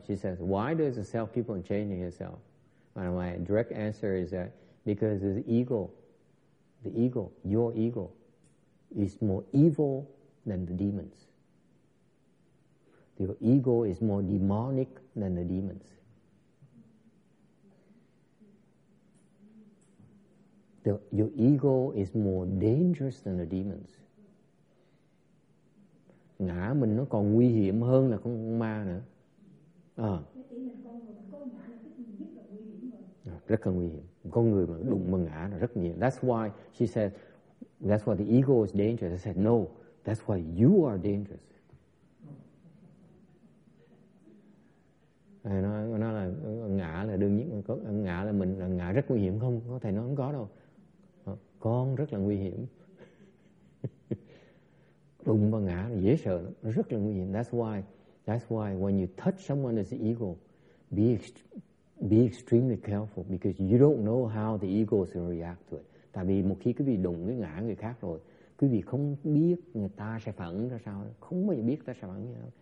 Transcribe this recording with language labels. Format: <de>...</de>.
<en>She says, why does the self keep on changing itself? And my direct answer is that because your ego, is more evil than the demons. Your ego is more demonic than the demons. Your ego is more dangerous than the demons.</en> <vi>Ngã mình nó còn nguy hiểm hơn là con ma nữa. Rất là nguy hiểm. Con người mà đụng vào ngã là rất nguy hiểm.</vi> <en>That's why she said, that's why the ego is dangerous. I said, no, that's why you are dangerous.</en> <vi>Thầy nói, ngã là đương nhiên, ngã là mình, là ngã rất nguy hiểm không? Thầy nói không có đâu. Con rất là nguy hiểm. Đụng vào ngã là dễ sợ lắm. Rất là nguy hiểm.</vi> <en>That's why when you touch someone as the ego, be extremely careful because you don't know how the ego is going to react to it.</en> <vi>Tại vì một khi quý vị đụng cái ngã người khác rồi, quý vị không biết người ta sẽ phản ứng ra sao. Không bao giờ biết người ta sẽ phản ứng ra sao.</vi>